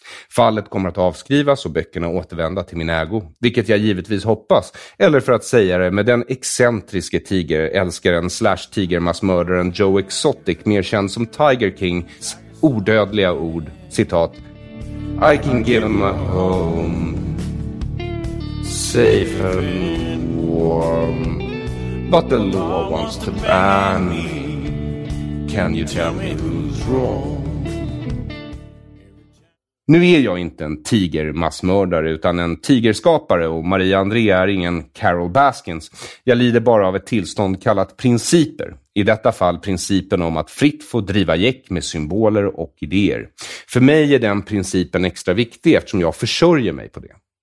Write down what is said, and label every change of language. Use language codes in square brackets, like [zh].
[sv] Fallet kommer att avskrivas och böckerna återvända till min ägo, vilket jag givetvis hoppas, eller för att säga det med den excentriske tigerälskaren slash tigermassmördaren Joe Exotic, mer känd som Tiger Kings odödliga ord, citat: [en] I can give him a home, safe and warm, but the law wants to ban me. Can you tell me who's wrong? [sv] Nu är jag inte en tigermassmördare utan en tigerskapare, och Maria André är ingen Carol Baskins. Jag lider bara av ett tillstånd kallat principer. I detta fall principen om att fritt få driva jäck med symboler och idéer. För mig är den principen extra viktig eftersom jag försörjer mig på det.